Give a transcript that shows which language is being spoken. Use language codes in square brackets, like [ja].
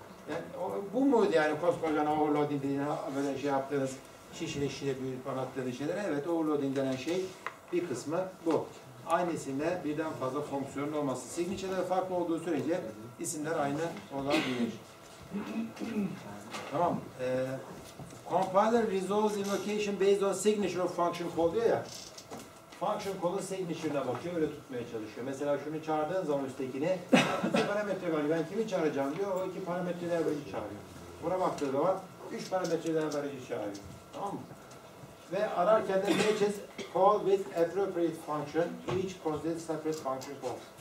[tr] Yani, bu muydu yani koskoca overloading dediğine böyle şey yaptığınız şişire şişire büyütüp anlattığınız şeyler? Evet, overloading denen şey bir kısmı bu. Aynı isimde birden fazla fonksiyonun olması. Signature'ler farklı olduğu sürece isimler aynı olabilir. Tamam. [en] Compiler resolves invocation based on signature of function call [tr] diyor ya. Function call'ın signature'ına bakıyor, öyle tutmaya çalışıyor. Mesela şunu çağırdığın zaman üsttekini iki parametre var. Ben kimi çağıracağım diyor. O iki parametreler verici çağırıyor. Buna baktığı zaman üç parametreler verici çağırıyor. Tamam mı? Ve ararken de [en] matches call with appropriate function each process separate function call.